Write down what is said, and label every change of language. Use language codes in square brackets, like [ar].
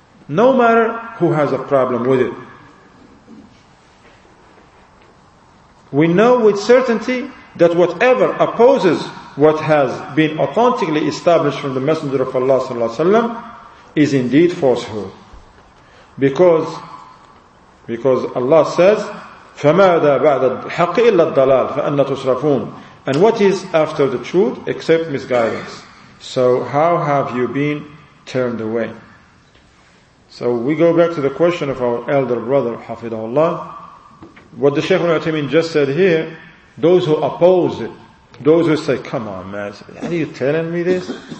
[en] No matter who has a problem with it. We know with certainty that whatever opposes what has been authentically established from the Messenger of Allah ﷺ is indeed falsehood. Because Allah says, [ar] فَمَاذَا بَعْدَ الْحَقِّ إِلَّا الضَّلَالِ فَأَنَّ تُصْرَفُونَ. [en] And what is after the truth except misguidance? So how have you been turned away? So we go back to the question of our elder brother, Hafidhullah. What the Shaykh Ibn Uthaymeen just said here, those who oppose it, those who say, come on man, are you telling me this?